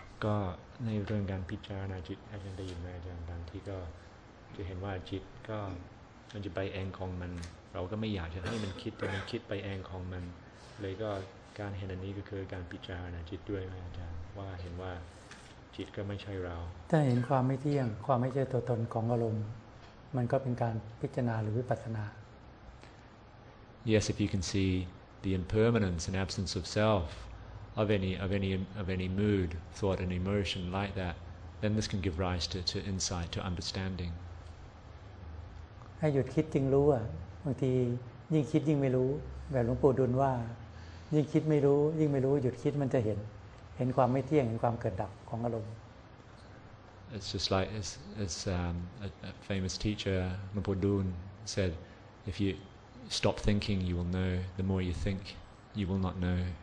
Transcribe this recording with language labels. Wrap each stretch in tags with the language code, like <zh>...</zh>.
<th>ก็ในเรื่องการพิจารณาจิตอาจารย์ได้ยินไหมอาจารย์บางที่ก็จะเห็นว่าจิตก็มันจะไปเองของมันเราก็ไม่อยากจะให้มันคิดแต่มันคิดไปเองของมันเลยก็การเห็นอันนี้ก็คือการพิจารณาจิตด้วยอาจารย์ว่าเห็นว่าจิตก็ไม่ใช่เรา แต่เห็นความไม่เที่ยงความไม่ใช่ตัวตนของอารมณ์มันก็เป็นการพิจารณาหรือวิปัสสนา</th> <en>Yes, if you can see the impermanence and absence of selfof any mood, thought, and emotion like that, then this can give rise to insight, to understanding.</en> <th>ให้หยุดคิดจึงรู้อ่ะบางทียิ่งคิดยิ่งไม่รู้แบบหลวงปู่ดุลว่ายิ่งคิดไม่รู้ยิ่งไม่รู้หยุดคิดมันจะเห็นความไม่เที่ยงเห็นความเกิดดับของอารมณ์</th> <en>It's just like as a famous teacher, หลวงปู่ดุล said, if you stop thinking, you will know. The more you think, you will not know.</en>